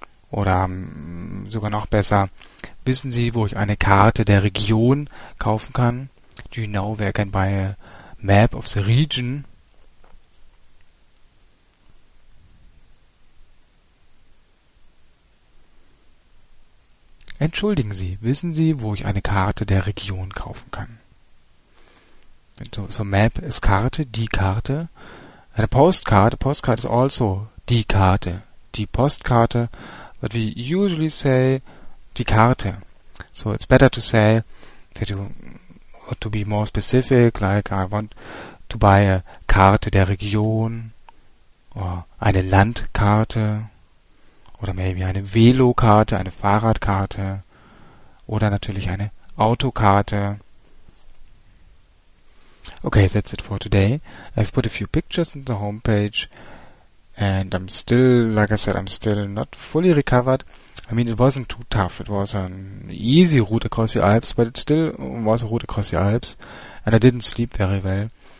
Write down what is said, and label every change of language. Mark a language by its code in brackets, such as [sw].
[de] Oder sogar noch besser, wissen Sie, wo ich eine Karte der Region kaufen kann? [en] Do you know where I can buy a map of the region? [de] Entschuldigen Sie, wissen Sie, wo ich eine Karte der Region kaufen kann? So, so map ist Karte, die Karte. Eine Postkarte, Postkarte ist also die Karte. Die Postkarte, [en] but we usually say [de] die Karte. [en] So it's better to say that you want to be more specific, like I want to buy a [de] Karte der Region [en] or [de] eine Landkarte. Oder maybe eine Velokarte, eine Fahrradkarte oder natürlich eine Autokarte. [en] Okay, that's it for today. I've put a few pictures on the homepage and I'm still, like I said, I'm still not fully recovered. I mean, it wasn't too tough. It was an easy route across the Alps, but it still was a route across the Alps and I didn't sleep very well.